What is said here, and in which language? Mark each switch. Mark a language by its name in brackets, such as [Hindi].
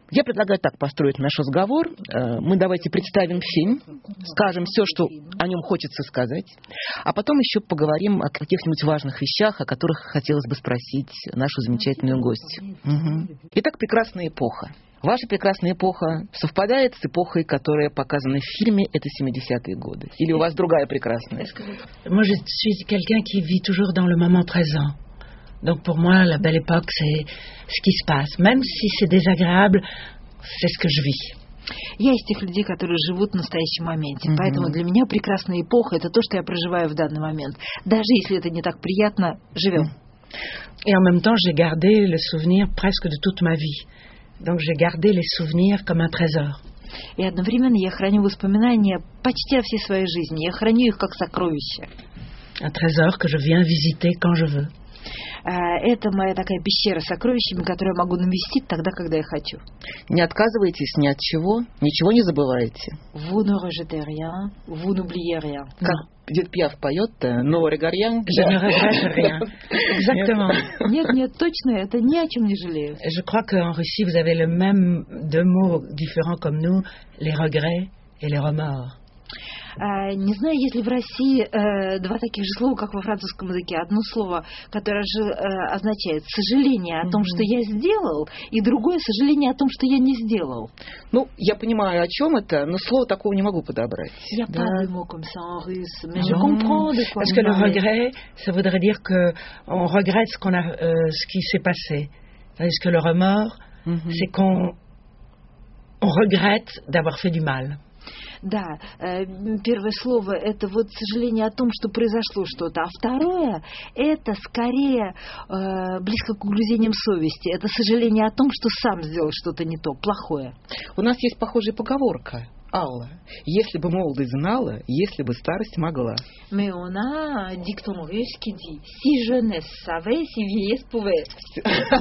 [Russian] Я предлагаю так построить наш разговор. Мы давайте представим фильм, скажем все, что о нем хочется сказать, а потом еще поговорим о каких-нибудь важных вещах, о которых хотелось бы спросить нашу замечательную гостью. Итак, «Прекрасная эпоха». Ваша прекрасная эпоха совпадает с эпохой, которая показана в фильме, это 70-е годы? Или у вас другая прекрасная? [French] Moi, je suis quelqu'un qui vit toujours dans le moment présent. Donc, pour moi, la belle époque, c'est ce qui se passe. Même si c'est désagréable, c'est ce que je vis. [Russian] Я из тех людей, которые живут в настоящем моменте. Mm-hmm. Поэтому для меня прекрасная эпоха – это то, что я проживаю в данный момент. Даже если это не так приятно, живем. [French] Et en même temps, j'ai gardé le souvenir presque de toute ma vie. Donc j'ai gardé les souvenirs comme un trésor. [Russian] И одновременно я храню воспоминания почти о всей своей жизни. Я храню их как сокровища. [French] Un trésor que je viens visiter quand je veux. [Russian] Это моя такая пещера с сокровищами, которую я могу навестить тогда, когда я хочу. Не отказывайтесь ни от чего, ничего не забывайте. [French] Vous ne regrettez rien, vous n'oubliez rien. [Russian] Дед Пьяв поет, но регарьян... [French] Je ne regrette rien. Exactement. [Russian] Нет, нет, точно, это ни о чем не жалею. [French] Je crois qu'en Russie, vous avez le même deux mots différents comme nous, les regrets et les remords. [Russian] Не знаю, есть ли в России два таких же слова, как во французском языке. Одно слово, которое означает сожаление о том, что я сделал, и другое сожаление о том, что я не сделал. Ну, я понимаю, о чем это, но слова такого не могу подобрать. Я понимаю, как это в русском, но я понимаю, о чем это. Потому что [French] le regret, ça voudrait dire qu'on regrette ce qui s'est passé. Tandis que le remords, c'est qu'on regrette d'avoir fait du mal. [Russian] Да, первое слово – это вот сожаление о том, что произошло что-то. А второе – это скорее близко к угрызениям совести. Это сожаление о том, что сам сделал что-то не то, плохое. У нас есть похожая поговорка, Алла. Если бы молодость знала, если бы старость могла. [French] Mais on a dicton russe qui dit «Si jeunesse savait, si vieillesse pouvait».